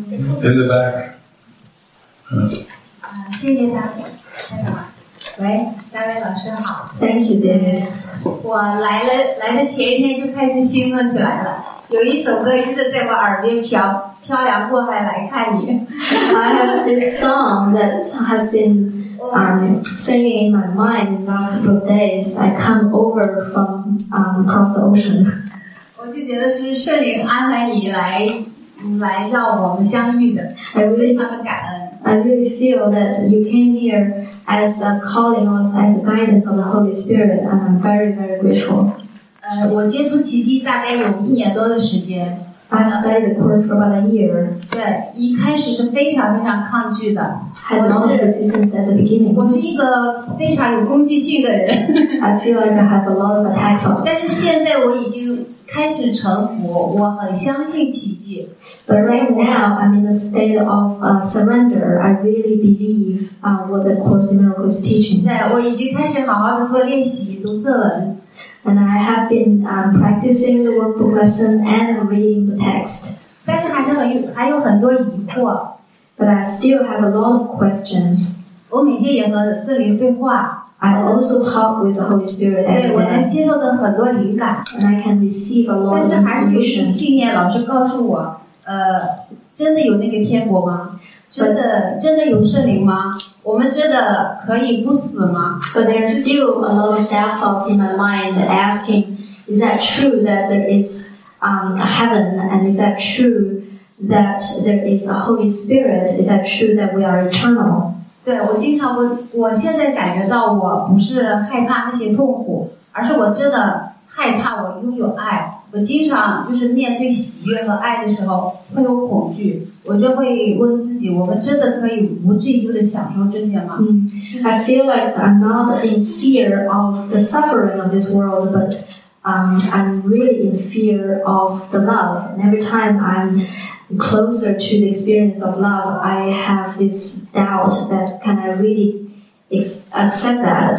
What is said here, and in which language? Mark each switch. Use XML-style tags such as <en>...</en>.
<en>In the back.</en> <zh>谢谢大家。喂，三位老师好。</zh> <en>Thank you, David.</en> <zh>我来的前一天就开始兴奋起来了，有一首歌一直在我耳边飘扬过来，来看你。</zh> <en>I have this song that has been singing in my mind the last couple of days. I come over from across the ocean.</en> <zh>我就觉得是圣灵安排你来。来让我们相遇的，非常的感恩。</zh> <en>I really feel that you came here as a calling or as a guidance of the Holy Spirit, and I'm very, very grateful.</en> <zh>我接触奇迹大概有一年多的时间。</zh> <en>I studied the course for about a year.</en> <zh>对，一开始是非常非常抗拒的。</zh> <en>Had no resistance at the beginning.</en> <zh>我是一个非常有攻击性的人。</zh> <en>I feel like I have a lot of attack thoughts.</en> <zh>但是现在我已经开始臣服，我很相信奇迹。</zh> <en>But right now, I'm in a state of surrender. I really believe what the Course in Miracles is teaching.</en> <zh>对，我已经开始好好的做练习，读课文。</zh> <en>And I have been practicing the workbook lesson and reading the text.</en> <zh>但是还有很多疑惑。</zh> <en>But I still have a lot of questions.</en> <zh>我每天也和圣灵对话。</zh> <en>I also talk with the Holy Spirit every day.</en> <zh>对，我能接受到很多灵感。</zh> <en>And I can receive a lot of inspiration.</en> <zh>但是还是有一种信念，老师告诉我，真的有那个天国吗？真的有圣灵吗？我们真的可以不死吗？</zh> <en>But there's still a lot of doubt thoughts in my mind asking, is that true that there is a heaven? And is that true that there is a Holy Spirit? Is that true that we are eternal?</en> <zh>对，我经常我现在感觉到我不是害怕那些痛苦，而是我真的害怕我拥有爱。我经常就是面对喜悦和爱的时候会有恐惧，我就会问自己，我们真的可以无罪疚的享受这些吗？</zh> <en>I feel like I'm not in fear of the suffering of this world, but I'm really in fear of the love. And every time I'm closer to the experience of love, I have this doubt that can I really accept that?</en>